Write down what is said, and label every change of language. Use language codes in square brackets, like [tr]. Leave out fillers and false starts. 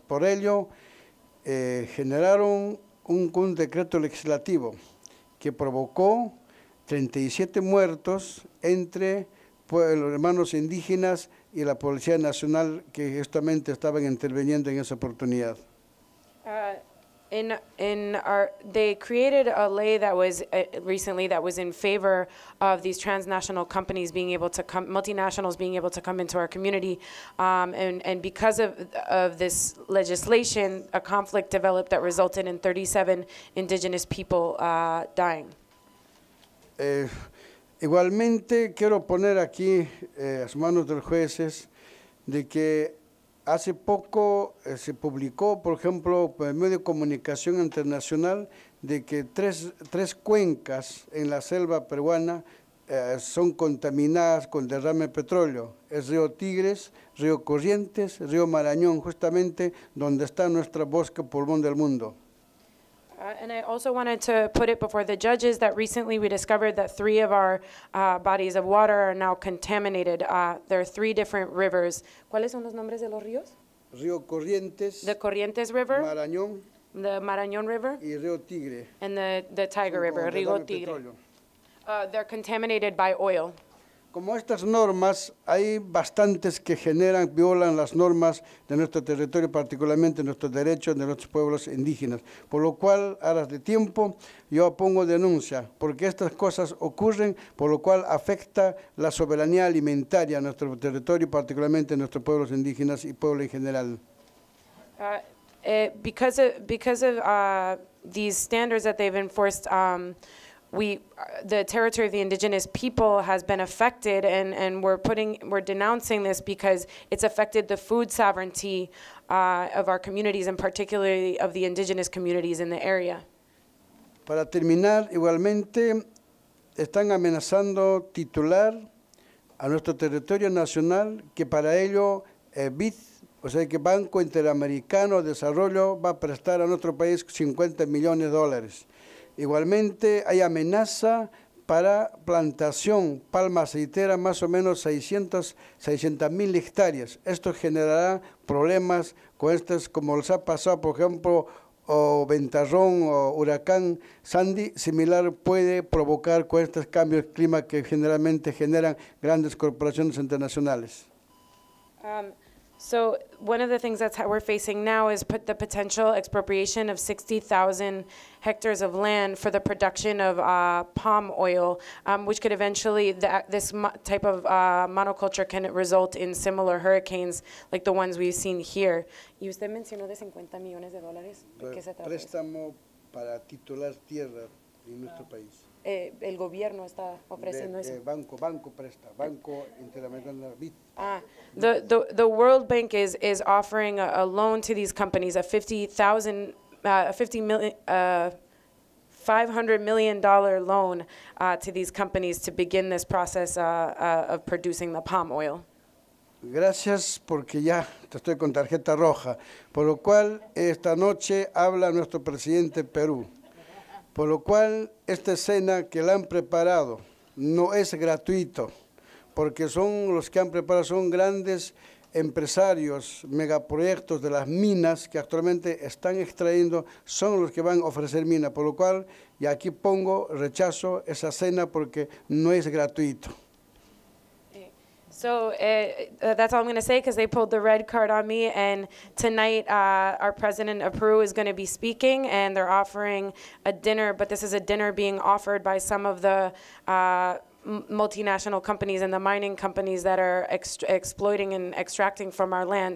[es] Por ello, generaron un decreto legislativo que provocó 37 muertos entre los hermanos indígenas y la Policía Nacional que justamente estaban interviniendo en esa oportunidad. [en] They created a ley that was recently that was in favor of these transnational companies being able to come, multinationals being able to come into our community, and because of this legislation, a conflict developed that resulted in 37 indigenous people dying. [es] Igualmente quiero poner aquí a las manos de los jueces de que hace poco se publicó, por ejemplo, por el medio de comunicación internacional, de que tres cuencas en la selva peruana son contaminadas con derrame de petróleo. Es río Tigres, río Corrientes, río Marañón, justamente donde está nuestro bosque pulmón del mundo. [en] And I also wanted to put it before the judges that recently we discovered that three of our bodies of water are now contaminated. There are three different rivers. [es] ¿Cuáles son los nombres de los ríos? Río Corrientes. [en] The Corrientes River. [es] Marañón. [en] The Marañón River. [es] Y Río Tigre. [en] And the Tiger River, Río Tigre. They're contaminated by oil. [es] Como estas normas, hay bastantes que generan, violan las normas de nuestro territorio, particularmente nuestros derechos de nuestros pueblos indígenas. Por lo cual, ahora de tiempo, yo pongo denuncia, porque estas cosas ocurren, por lo cual afecta la soberanía alimentaria a nuestro territorio, particularmente nuestros pueblos indígenas y pueblo en general. [en] Because of these standards that they've enforced, the territory of the indigenous people has been affected, and we're denouncing this because it's affected the food sovereignty of our communities, and particularly of the indigenous communities in the area. [es] Para terminar, igualmente, están amenazando titular a nuestro territorio nacional, que para ello BID, o sea, que Banco Interamericano de Desarrollo va a prestar a nuestro país 50 millones de dólares. Igualmente, hay amenaza para plantación palma aceitera, más o menos 600,000 hectáreas. Esto generará problemas con estas, como les ha pasado, por ejemplo, o ventarrón o huracán Sandy, similar puede provocar con estos cambios de clima que generalmente generan grandes corporaciones internacionales. [en] So one of the things that we're facing now is the potential expropriation of 60,000 hectares of land for the production of palm oil, which could eventually, this type of monoculture can result in similar hurricanes like the ones we've seen here. [es] ¿Y usted mencionó de 50 millones de dólares? ¿De qué se trata? Préstamo para titular tierra en nuestro país. El gobierno está ofreciendo eso. Banco presta, Banco Interamericano de BID. [en] The World Bank is offering a loan to these companies, $500 million loan to these companies to begin this process of producing the palm oil. [es] Gracias, porque ya te estoy con tarjeta roja, por lo cual esta noche habla nuestro presidente Perú. Por lo cual, esta escena que la han preparado no es gratuito, porque son los que han preparado, son grandes empresarios, megaproyectos de las minas que actualmente están extrayendo, son los que van a ofrecer mina. Por lo cual, y aquí pongo, rechazo esa escena porque no es gratuito. [en] So that's all I'm going to say because they pulled the red card on me. And tonight, our president of Peru is going to be speaking, and they're offering a dinner. But this is a dinner being offered by some of the multinational companies and the mining companies that are exploiting and extracting from our land.